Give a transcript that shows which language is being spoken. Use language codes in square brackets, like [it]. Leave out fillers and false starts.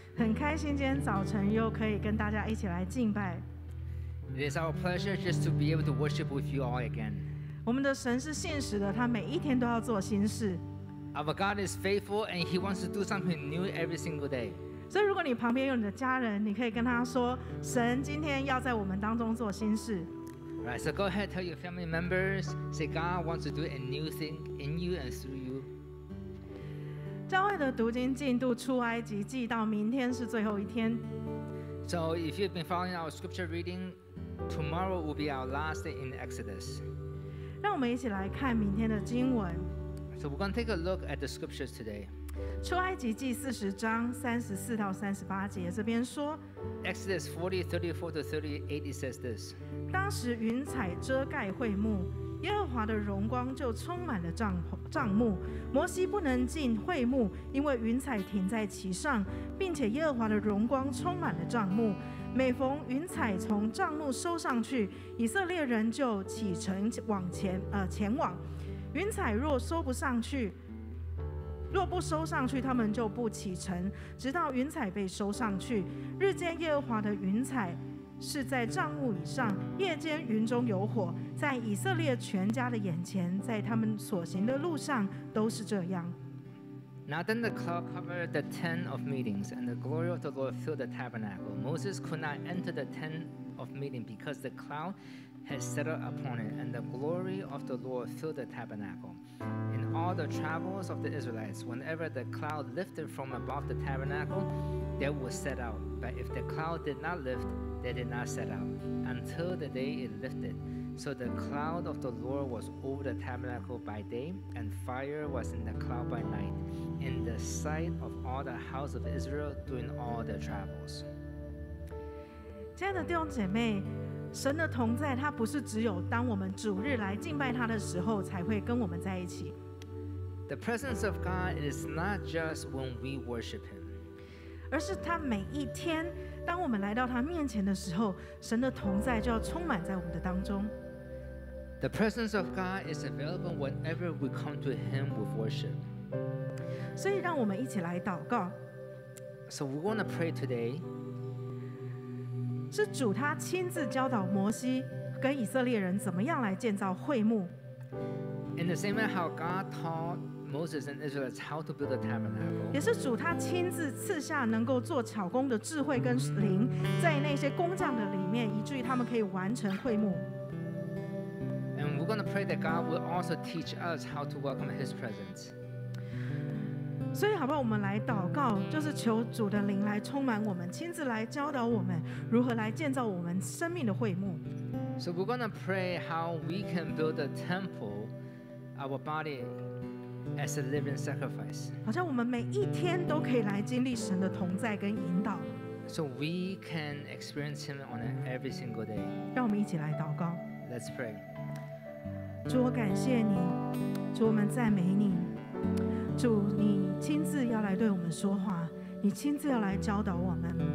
[zh] 很开心今天早晨又可以跟大家一起来敬拜。 [en] It is our pleasure just to be able to worship with you all again. [zh] 我们的神是信实的，他每一天都要做新事。 [en] Our God is faithful and he wants to do something new every single day. [zh] 所以如果你旁边有你的家人，你可以跟他说，神今天要在我们当中做新事。 [en] Right, so go ahead, tell your family members, say God wants to do a new thing in you and through you. [zh] 教会的读经进度出埃及记到明天是最后一天。 [en] So if you've been following our scripture reading, tomorrow will be our last day in Exodus. [zh] 让我们一起来看明天的经文。 [en] So we're going to take a look at the scriptures today. [zh] 出埃及记40章34到38节，这边说 [en] Exodus 40:34-38, it says this. [zh] 当时云彩遮盖会幕，耶和华的荣光就充满了帐幕。摩西不能进会幕，因为云彩停在其上，并且耶和华的荣光充满了帐幕。每逢云彩从帐幕收上去，以色列人就启程往前，前往。云彩若收不上去，若不收上去，他们就不启程，直到云彩被收上去。日间耶和华的云彩是在帐幕以上，夜间云中有火，在以色列全家的眼前，在他们所行的路上都是这样。 [en] Now then the cloud covered the tent of meetings, and the glory of the Lord filled the tabernacle. Moses could not enter the tent of meeting because the cloud had settled upon it, and the glory of the Lord filled the tabernacle. In all the travels of the Israelites, whenever the cloud lifted from above the tabernacle, they would set out. But if the cloud did not lift, they did not set out until the day it lifted. So the cloud of the Lord was over the tabernacle by day, and fire was in the cloud by night, in the sight of all the house of Israel during all their travels. [zh] 亲爱的弟兄姐妹，神的同在，他不是只有当我们主日来敬拜他的时候才会跟我们在一起。 [en] The presence of God is not just when we worship Him, [zh] 而是他每一天，当我们来到他面前的时候，神的同在就要充满在我们的当中。 [en] The presence of God is available whenever we come to Him with worship. [zh] 所以，让我们一起来祷告。 [en] So we want to pray today. [zh] 是主他亲自教导摩西跟以色列人怎么样来建造会幕。 [en] In the same way, how God taught Moses and Israel how to build a tabernacle. [zh] 也是主他亲自赐下能够做巧工的智慧跟灵，在那些工匠的里面，以至于他们可以完成会幕。 [en] And we're going to pray that God will also teach us how to welcome His presence. [zh] 所以好不好，我们来祷告，就是求主的灵来充满我们，亲自来教导我们如何来建造我们生命的会幕。 [en] So we're going to pray how we can build a temple, our body as a living sacrifice. [zh] 好像我们每一天都可以来经历神的同在跟引导。 [en] So we can experience Him on every single day. [zh] 让我们一起来祷告。 [en] Let's pray. [zh] 主，我感谢你，主，我们赞美你。主，你亲自要来对我们说话，你亲自要来教导我们。